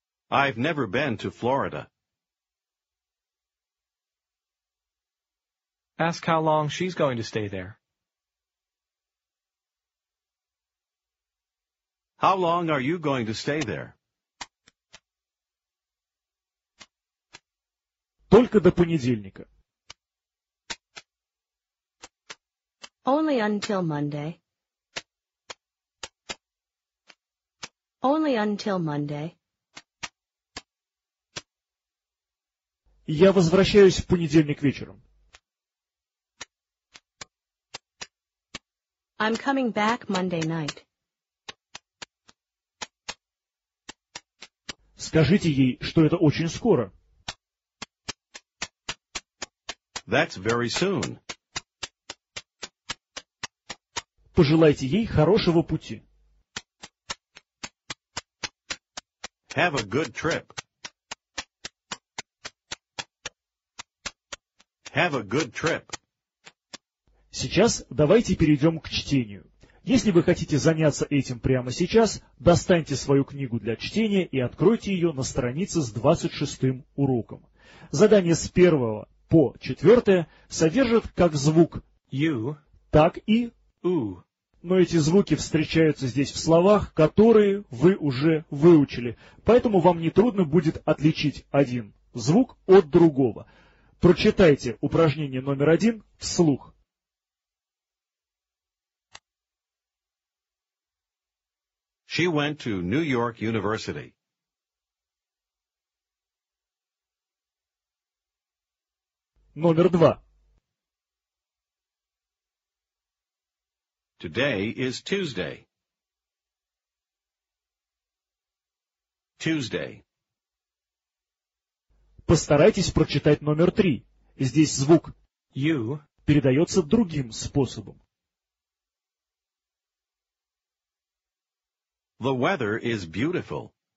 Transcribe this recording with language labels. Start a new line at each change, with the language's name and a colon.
English: I've never been to Florida. Ask how long she's going to stay there. How long are you going to stay there?
Russian: Только до понедельника.
English: Only until Monday. Only until Monday.
Russian: Я возвращаюсь в понедельник вечером.
English: I'm coming back Monday night.
Russian: Скажите ей, что это очень скоро.
English: That's very soon.
Russian: Пожелайте ей хорошего пути.
English: Have a good trip. Have a good trip.
Russian: Сейчас давайте перейдем к чтению. Если вы хотите заняться этим прямо сейчас, достаньте свою книгу для чтения и откройте ее на странице с 26-м уроком. Задание с 1 по 4 содержит как звук
English: «you»,
Russian: так и «у». Но эти звуки встречаются здесь в словах, которые вы уже выучили. Поэтому вам нетрудно будет отличить один звук от другого. Прочитайте упражнение номер 1 вслух.
English: She went to New York University.
Russian: Номер 2.
English: Today is Tuesday. Tuesday.
Russian: Постарайтесь прочитать номер 3. Здесь звук
English: «you»
Russian: передается другим способом.
English: The weather is beautiful.